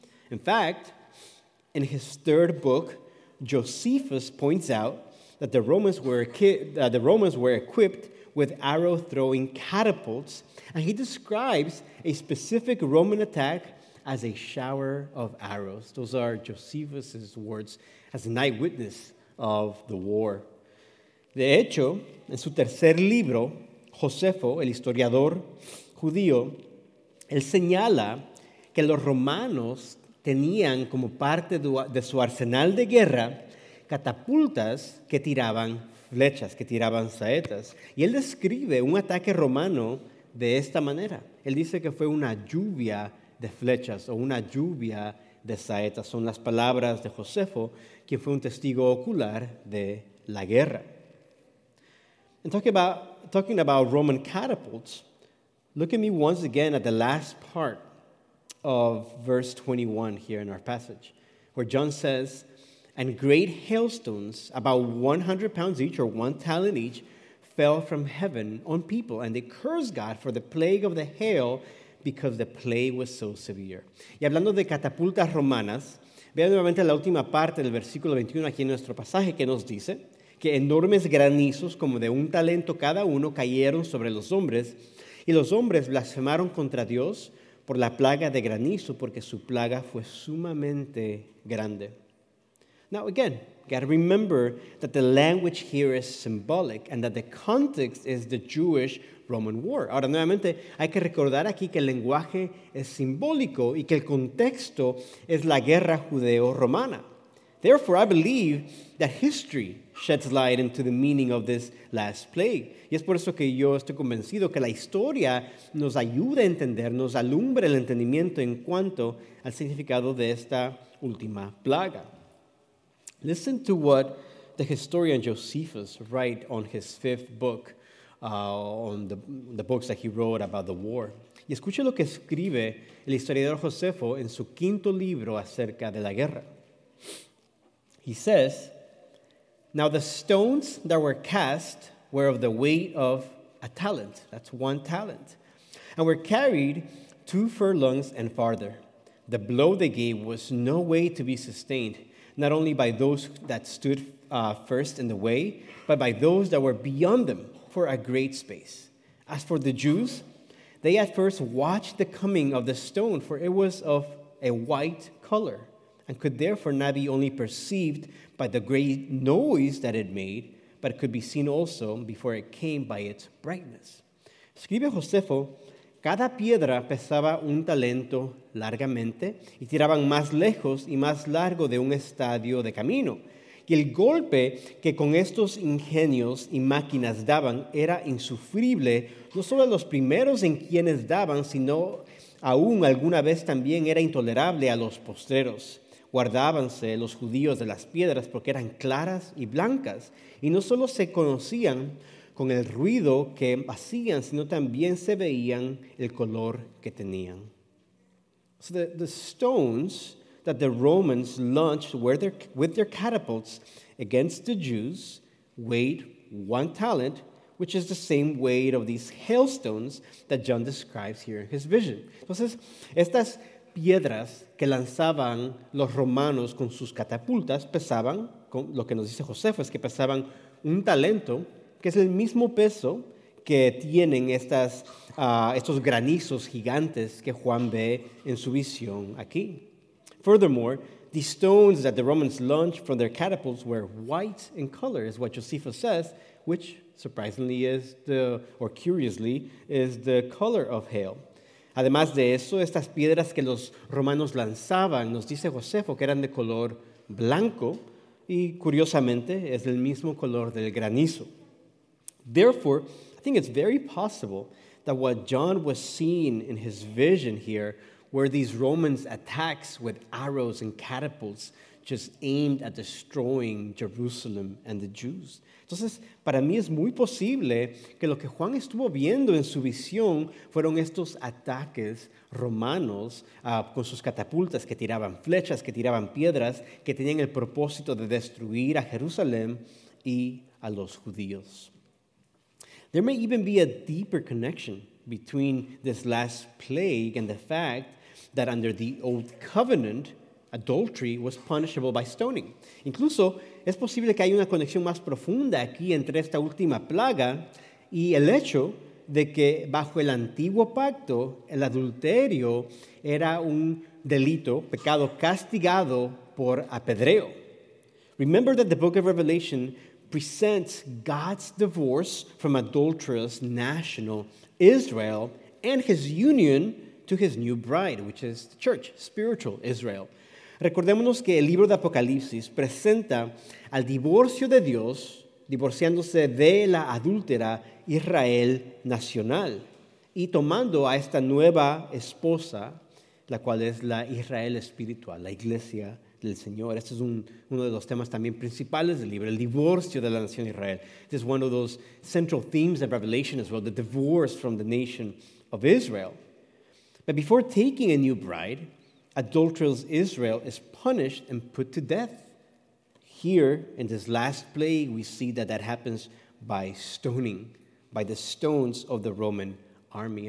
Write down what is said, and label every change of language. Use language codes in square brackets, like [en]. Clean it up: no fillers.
[en] In fact, in his third book, Josephus points out that the Romans were equipped with arrow-throwing catapults, and he describes a specific Roman attack as a shower of arrows. Those are Josephus's words as an eyewitness of the war. [es] De hecho, en su tercer libro, Josefo, el historiador judío, él señala que los romanos tenían como parte de su arsenal de guerra catapultas que tiraban flechas, que tiraban saetas. Y él describe un ataque romano de esta manera. Él dice que fue una lluvia de flechas o una lluvia de saetas. Son las palabras de Josefo, quien fue un testigo ocular de la guerra. [en] And talking about Roman catapults, look at me once again at the last part of verse 21 here in our passage, where John says, "And great hailstones, about 100 pounds each or one talent each, fell from heaven on people, and they cursed God for the plague of the hail because the plague was so severe." [es] Y hablando de catapultas romanas, vean nuevamente la última parte del versículo 21 aquí en nuestro pasaje que nos dice que enormes granizos como de un talento cada uno cayeron sobre los hombres, y los hombres blasfemaron contra Dios por la plaga de granizo, porque su plaga fue sumamente grande. [en] Now again, you got to remember that the language here is symbolic and that the context is the Jewish-Roman War. [es] Ahora, nuevamente, hay que recordar aquí que el lenguaje es simbólico y que el contexto es la guerra judeo-romana. [en] Therefore, I believe that history sheds light into the meaning of this last plague. [es] Y es por eso que yo estoy convencido que la historia nos ayuda a entender, nos alumbra el entendimiento en cuanto al significado de esta última plaga. [en] Listen to what the historian Josephus writes on his fifth book, on the books that he wrote about the war. [es] Y escuche lo que escribe el historiador Josefo en su quinto libro acerca de la guerra. [en] He says, "Now the stones that were cast were of the weight of a talent," that's one talent, "and were carried 2 furlongs and farther. The blow they gave was no way to be sustained, not only by those that stood first in the way, but by those that were beyond them for a great space. As for the Jews, they at first watched the coming of the stone, for it was of a white color, and could therefore not be only perceived by the great noise that it made, but it could be seen also before it came by its brightness." [es] Escribe Josefo, cada piedra pesaba un talento largamente y tiraban más lejos y más largo de un estadio de camino. Y el golpe que con estos ingenios y máquinas daban era insufrible, no solo a los primeros en quienes daban, sino aún alguna vez también era intolerable a los postreros. Guardábanse los judíos de las piedras porque eran claras y blancas, y no solo se conocían con el ruido que hacían, sino también se veían el color que tenían. [en] So the stones that the Romans launched with their catapults against the Jews weighed one talent, which is the same weight of these hailstones that John describes here in his vision. [es] Entonces, estas piedras que lanzaban los romanos con sus catapultas pesaban, lo que nos dice Josefo es que pesaban un talento, que es el mismo peso que tienen estos granizos gigantes que Juan ve en su visión aquí. [en] Furthermore, the stones that the Romans launched from their catapults were white in color, is what Josephus says, which surprisingly is the color of hail. [es] Además de eso, estas piedras que los romanos lanzaban, nos dice Josefo, que eran de color blanco, y curiosamente, es el mismo color del granizo. [en] Therefore, I think it's very possible that what John was seeing in his vision here were these Romans attacks with arrows and catapults just aimed at destroying Jerusalem and the Jews. [es] Entonces, para mí es muy posible que lo que Juan estuvo viendo en su visión fueron estos ataques romanos con sus catapultas que tiraban flechas, que tiraban piedras, que tenían el propósito de destruir a Jerusalén y a los judíos. [en] There may even be a deeper connection between this last plague and the fact that under the old covenant, adultery was punishable by stoning. [es] Incluso, es posible que haya una conexión más profunda aquí entre esta última plaga y el hecho de que bajo el antiguo pacto, el adulterio era un delito, pecado castigado por apedreo. [en] Remember that the book of Revelation presents God's divorce from adulterous national Israel and his union to his new bride, which is the church, spiritual Israel. [es] Recordémonos que el libro de Apocalipsis presenta al divorcio de Dios, divorciándose de la adúltera Israel nacional y tomando a esta nueva esposa, la cual es la Israel espiritual, la iglesia del Señor. Este es uno de los temas también principales del libro, el divorcio de la nación Israel. [en] This is one of those central themes of Revelation as well, the divorce from the nation of Israel. But before taking a new bride, adulterous Israel is punished and put to death. Here, in this last plague, we see that that happens by stoning, by the stones of the Roman army.